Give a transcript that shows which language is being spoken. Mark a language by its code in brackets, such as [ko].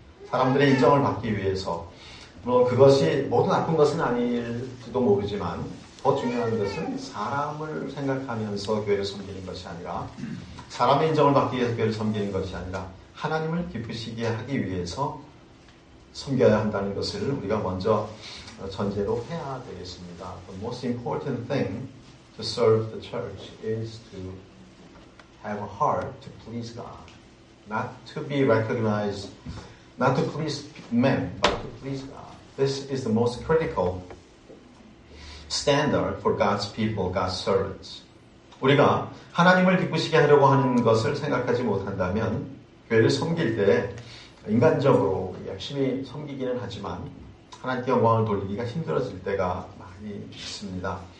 [ko] 사람들의 인정을 받기 위해서 물론 그것이 모두 나쁜 것은 아닐지도 모르지만 더 중요한 것은 사람을 생각하면서 교회를 섬기는 것이 아니라 사람의 인정을 받기 위해서 교회를 섬기는 것이 아니라 하나님을 기쁘시게 하기 위해서 섬겨야 한다는 것을 우리가 먼저 전제로 해야 되겠습니다. [en] The most important thing to serve the church is to have a heart to please God. Not to be recognized, not to please men, but to please God. This is the most critical standard for God's people, God's servants. [ko] 우리가 하나님을 기쁘시게 하려고 하는 것을 생각하지 못한다면 교회를 섬길 때 인간적으로 열심히 섬기기는 하지만 하나님께 영광을 돌리기가 힘들어질 때가 많이 있습니다.